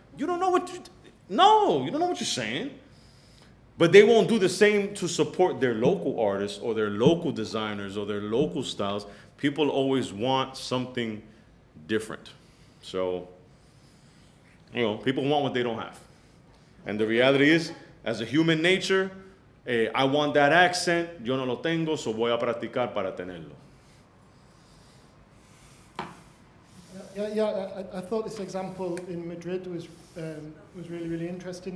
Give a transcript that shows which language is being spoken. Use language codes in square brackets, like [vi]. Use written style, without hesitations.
[en] You don't know what you don't know what you're saying. But they won't do the same to support their local artists or their local designers or their local styles. People always want something different. So, you know, people want what they don't have. And the reality is, as a human nature, I want that accent. [es] Yo no lo tengo, so voy a practicar para tenerlo. [en] Yeah. I thought this example in Madrid was really, really interesting.